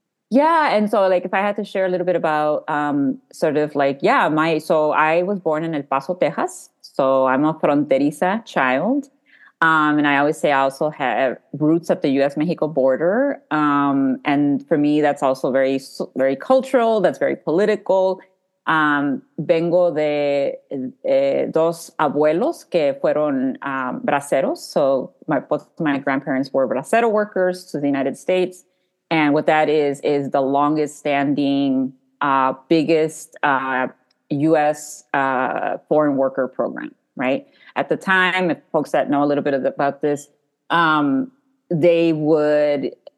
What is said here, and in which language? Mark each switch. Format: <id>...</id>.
<en>And so if I had to share a little bit about so I was born in El Paso, Texas. So I'm a fronteriza child. And I always say I also have roots at the U.S.-Mexico border. And for me, that's also very, very cultural. That's very political.</en> <es>Vengo de dos abuelos que fueron braceros.</es> <en>So both my grandparents were bracero workers to the United States. And what that is the longest standing, biggest U.S. Foreign worker program, right? At the time, if folks that know a little bit about this, they would</en>